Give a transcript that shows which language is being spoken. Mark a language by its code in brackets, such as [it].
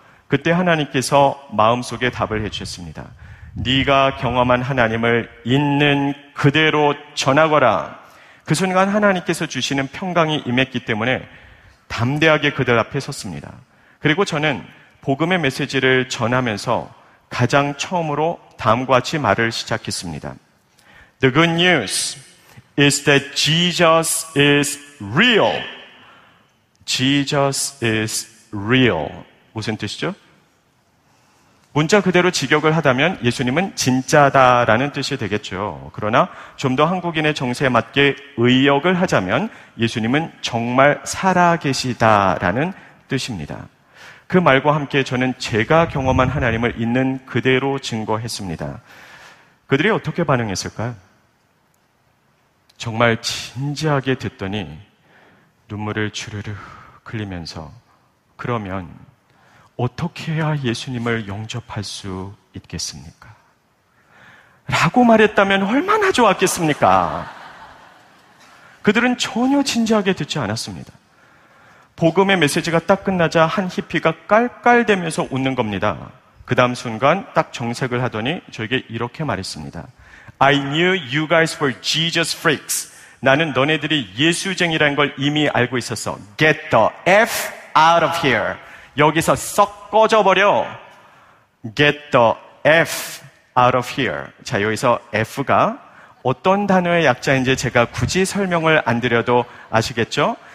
[ko] 그때 하나님께서 마음속에 답을 해주셨습니다. 네가 경험한 하나님을 있는 그대로 전하거라. 그 순간 하나님께서 주시는 평강이 임했기 때문에 담대하게 그들 앞에 섰습니다. 그리고 저는 복음의 메시지를 전하면서 가장 처음으로 다음과 같이 말을 시작했습니다. [en] The good news is that Jesus is real. Jesus is real. [ko] 무슨 뜻이죠? 문자 그대로 직역을 하다면 예수님은 진짜다라는 뜻이 되겠죠. 그러나 좀 더 한국인의 정세에 맞게 의역을 하자면 예수님은 정말 살아계시다라는 뜻입니다. 그 말과 함께 저는 제가 경험한 하나님을 있는 그대로 증거했습니다. 그들이 어떻게 반응했을까요? 정말 진지하게 듣더니 눈물을 주르륵 흘리면서 그러면 어떻게 해야 예수님을 영접할 수 있겠습니까? 라고 말했다면 얼마나 좋았겠습니까? 그들은 전혀 진지하게 듣지 않았습니다. 복음의 메시지가 딱 끝나자 한 히피가 깔깔대면서 웃는 겁니다. 그 다음 순간 딱 정색을 하더니 저에게 이렇게 말했습니다. [en] I knew you guys were Jesus freaks. [ko] 나는 너네들이 예수쟁이라는 걸 이미 알고 있었어. [en] Get the F out of here. [ko] 여기서 썩 꺼져버려. [en] Get the F out of here. [ko] 자, 여기서 F가 어떤 단어의 약자인지 제가 굳이 설명을 안 드려도 아시겠죠?